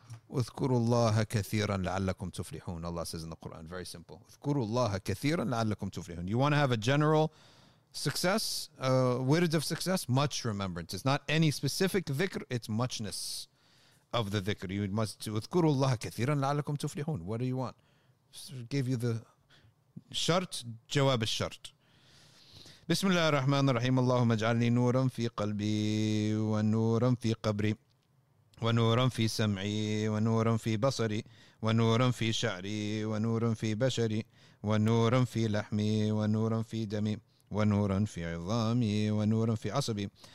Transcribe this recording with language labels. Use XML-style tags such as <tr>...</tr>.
<ar>اذكروا الله كثيرا لعلكم تفلحون.</ar> <en>Allah says in the Quran, very simple.</en> <ar>اذكروا الله كثيرا لعلكم تفلحون.</ar> <en>You want to have a general success, a word of success? Much remembrance. It's not any specific dhikr, it's muchness of the dhikr. You must do</en> <ar>اذكروا الله كثيرا لعلكم تفلحون.</ar> <en>What do you want? Give you the shart, jawab al-shart.</en> <ar>بسم الله الرحمن الرحيم اللهم اجعلني نورا في قلبي ونورا في قبري ونورا في سمعي ونورا في بصري ونورا في شعري ونورا في بشري ونورا في لحمي ونورا في دمي ونورا في عظامي ونورا في عصبي</ar>